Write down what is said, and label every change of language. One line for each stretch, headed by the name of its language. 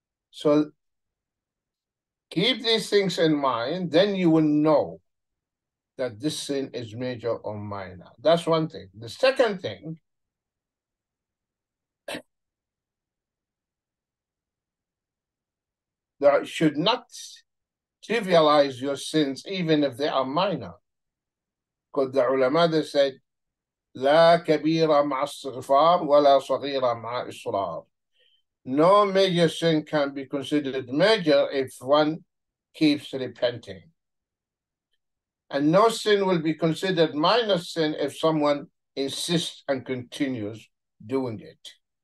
English: So keep these things in mind, then you will know that this sin is major or minor. That's one thing. The second thing, that should not trivialize your sins, even if they are minor. Because the ulama, they said,
Arabic: لا كبيرة مع الصغفار ولا صغيرة مع الإصرار.
English: No major sin can be considered major if one keeps repenting. And no sin will be considered minor sin if someone insists and continues doing it.